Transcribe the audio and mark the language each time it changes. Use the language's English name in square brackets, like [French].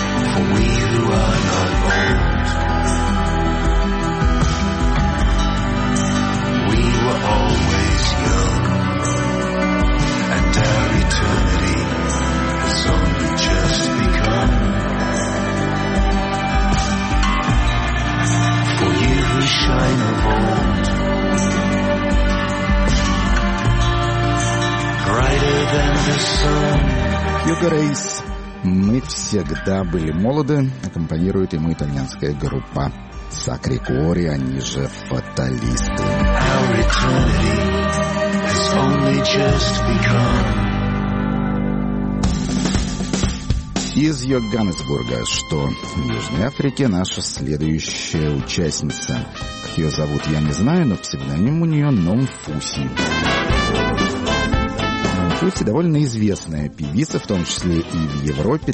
[English] For we who are not old, we were always young, and our eternity has only just begun. Shine of old, brighter than the sun. Hugo Race. [Russian] Мы всегда были молоды, аккомпанирует ему итальянская группа Sacri Cuori, они же фаталисты. [English] Our eternity has only just begun. [Russian] Из Йоганнесбурга, что в Южной Африке, наша следующая участница. Как ее зовут, я не знаю, но псевдоним у нее Номфуси. Шульце довольно известная певица, в том числе и в Европе.